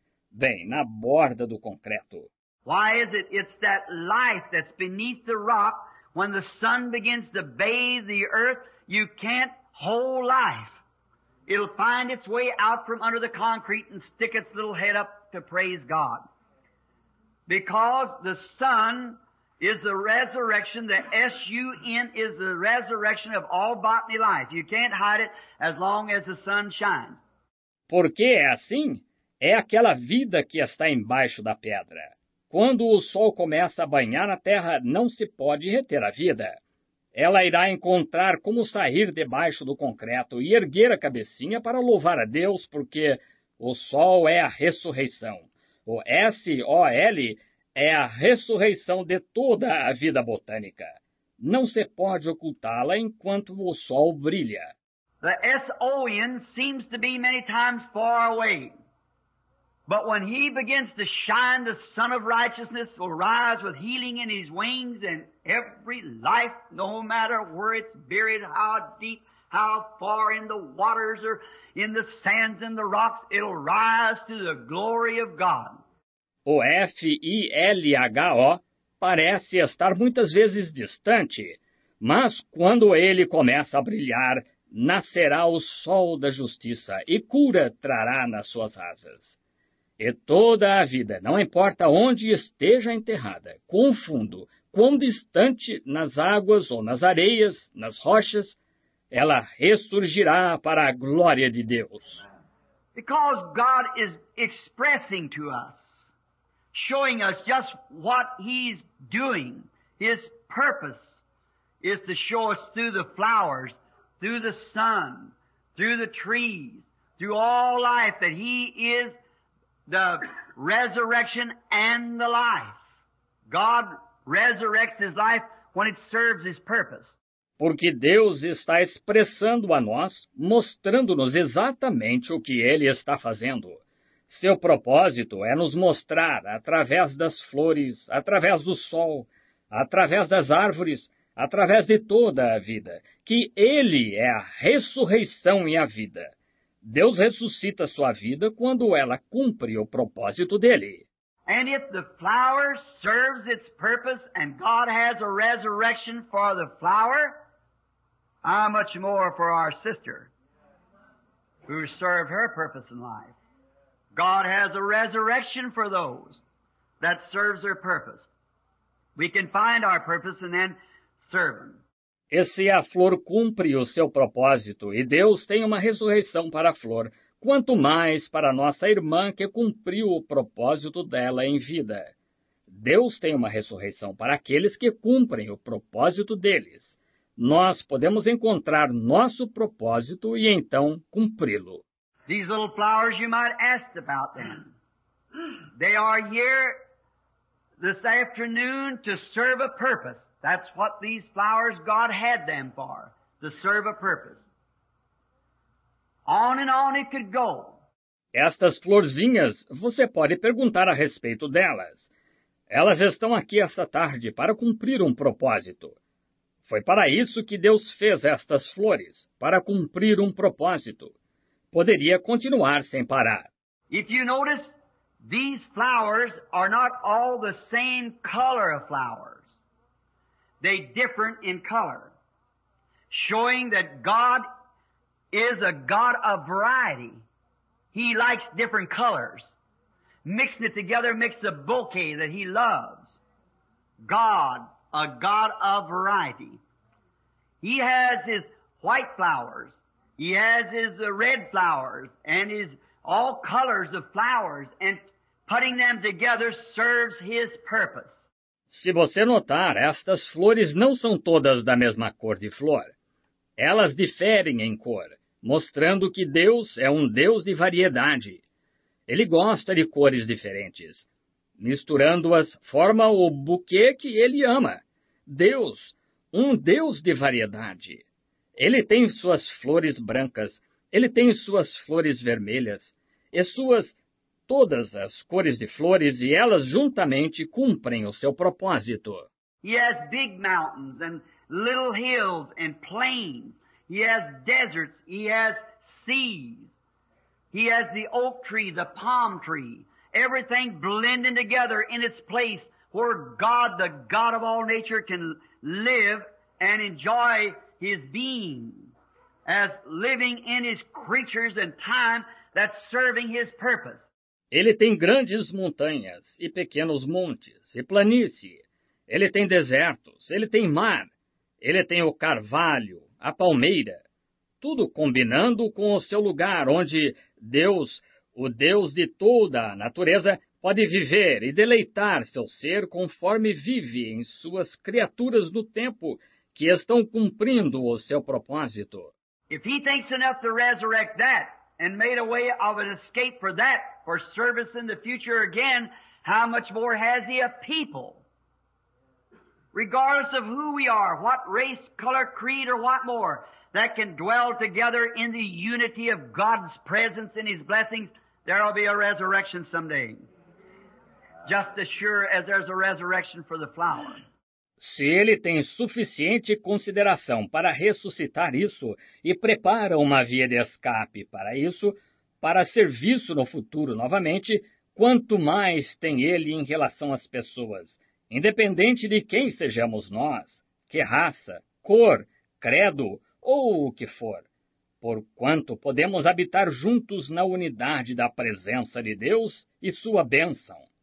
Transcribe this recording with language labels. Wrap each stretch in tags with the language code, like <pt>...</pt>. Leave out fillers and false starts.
<pt>Bem, na borda do concreto.</pt> <en>Why is it? It's that life that's beneath the rock. When the sun begins to bathe the earth, you can't hold life. It'll find its way out from under the concrete and stick its little head up to praise God. Because the sun is the resurrection, the S-U-N is the resurrection of all bodily life. You can't hide it as long as the sun shines.</en> <pt>Por que é assim? É aquela vida que está embaixo da pedra. Quando o sol começa a banhar a terra, não se pode reter a vida. Ela irá encontrar como sair debaixo do concreto e erguer a cabecinha para louvar a Deus, porque o sol é a ressurreição. O S-O-L é a ressurreição de toda a vida botânica. Não se pode ocultá-la enquanto o sol brilha.</pt> <en>The S-O-N seems to be many times far away. But when he begins to shine, the sun of righteousness will rise with healing in his wings, and every life, no matter where it's buried, how deep, how far in the waters or in the sands and the rocks, it'll rise to the glory of God.</en> <pt>O F-I-L-H-O parece estar muitas vezes distante, mas quando ele começa a brilhar, nascerá o sol da justiça e cura trará nas suas asas. E toda a vida, não importa onde esteja enterrada, quão fundo, quão distante, nas águas ou nas areias, nas rochas, ela ressurgirá para a glória de Deus.</pt> <en>Because God is expressing to us, showing us just what he's doing. His purpose is to show us through the flowers, through the sun, through the trees, through all life that he is the resurrection and the life. God resurrects his life when it serves his purpose.</en> <pt>Porque Deus está expressando a nós, mostrando-nos exatamente o que ele está fazendo. Seu propósito é nos mostrar através das flores, através do sol, através das árvores, através de toda a vida, que ele é a ressurreição e a vida. Deus ressuscita sua vida quando ela cumpre o propósito dele.</pt> <en>And if the flower serves its purpose and God has a resurrection for the flower, how much more for our sister who served her purpose in life? God has a resurrection for those that serves their purpose. We can find our purpose and then serve them.</en> <pt>E se a flor cumpre o seu propósito e Deus tem uma ressurreição para a flor, quanto mais para a nossa irmã que cumpriu o propósito dela em vida. Deus tem uma ressurreição para aqueles que cumprem o propósito deles. Nós podemos encontrar nosso propósito e então cumpri-lo.</pt> <en>These little flowers you might ask about them. They are here this afternoon to serve a purpose. That's what these flowers God had them for, to serve a purpose. On and on it could go.</en> <pt>Estas florzinhas, você pode perguntar a respeito delas. Elas estão aqui esta tarde para cumprir um propósito. Foi para isso que Deus fez estas flores, para cumprir um propósito. Poderia continuar sem parar.</pt> <en>If you notice, these flowers are not all the same color of flowers. They differ in color, showing that God is a God of variety. He likes different colors. Mixing it together makes a bouquet that he loves. God, a God of variety. He has his white flowers. He has his red flowers and his all colors of flowers, and putting them together serves his purpose.</en> <pt>Se você notar, estas flores não são todas da mesma cor de flor. Elas diferem em cor, mostrando que Deus é um Deus de variedade. Ele gosta de cores diferentes. Misturando-as, forma o buquê que ele ama. Deus, um Deus de variedade. Ele tem suas flores brancas, ele tem suas flores vermelhas, e suas todas as cores de flores, e elas juntamente cumprem o seu propósito.</pt> <en>He has big mountains and little hills and plains. He has deserts, he has seas. He has the oak tree, the palm tree, everything blending together in its place where God, the God of all nature, can live and enjoy his being as living in his creatures and time that's serving his purpose.</en> <pt>Ele tem grandes montanhas e pequenos montes e planície. Ele tem desertos, ele tem mar, ele tem o carvalho, a palmeira, tudo combinando com o seu lugar onde Deus, o Deus de toda a natureza, pode viver e deleitar seu ser conforme vive em suas criaturas no tempo que estão cumprindo o seu propósito.</pt> <en>If he thinks enough to resurrect that and made a way of an escape for that, for service in the future again, how much more has he a people? Regardless of who we are, what race, color, creed, or what more, that can dwell together in the unity of God's presence and his blessings, there will be a resurrection someday. Just as sure as there's a resurrection for the flower.</en> <pt>Se ele tem suficiente consideração para ressuscitar isso e prepara uma via de escape para isso, para serviço no futuro novamente, quanto mais tem ele em relação às pessoas, independente de quem sejamos nós, que raça, cor, credo ou o que for, porquanto podemos habitar juntos na unidade da presença de Deus e sua bênção.</pt>